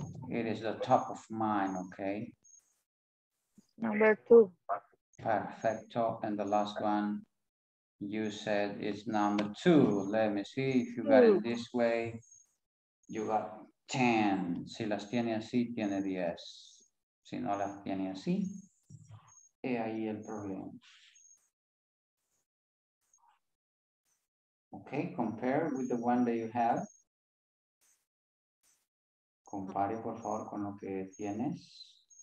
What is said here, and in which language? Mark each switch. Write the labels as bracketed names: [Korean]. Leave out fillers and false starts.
[English] It is the top of mind, okay? Number two. [Spanish] Perfecto. [English] And the last one you said is number two. Let me see if you got it this way. You got 10. [Spanish] Si las tiene así, tiene 10. Si no las tiene así, he ahí el problema. [English] Okay, compare with the one that you have. Compare, [Spanish] por favor, con lo que tienes.